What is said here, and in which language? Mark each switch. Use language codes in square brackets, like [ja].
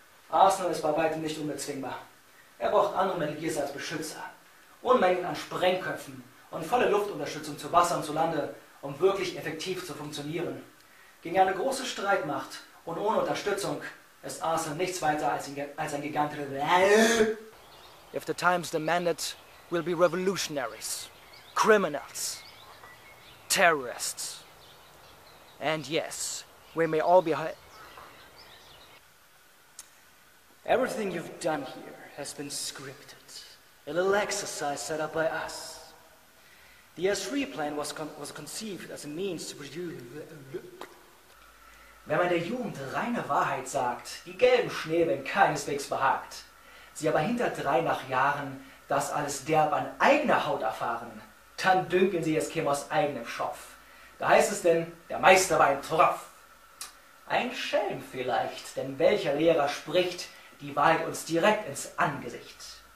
[de] Arsenal ist bei weitem nicht unbezwingbar. Er braucht andere Metal Gears als Beschützer. Unmengen an Sprengköpfen und volle Luftunterstützung zu Wasser und zu Lande, um wirklich effektiv zu funktionieren. Gegen eine große Streitmacht und ohne Unterstützung ist Arsenal nichts weiter als ein gigantischer... [en] If the times demand it, we'll be revolutionaries, criminals, terrorists. And yes, we may all be... Everything you've done here has been scripted. A little exercise set up by us. The S3 plan was conceived as a means to produce... [de] Wenn man der Jugend reine Wahrheit sagt, die gelben Schnäbel werden keineswegs behagt. Sie aber hinterdrein nach Jahren das alles derb an eigener Haut erfahren, dann dünken sie es käme aus eigenem Schopf. Da heißt es denn, der Meister war ein Tropf. Ein Schelm vielleicht, denn welcher Lehrer spricht die Wahrheit uns direkt ins Angesicht?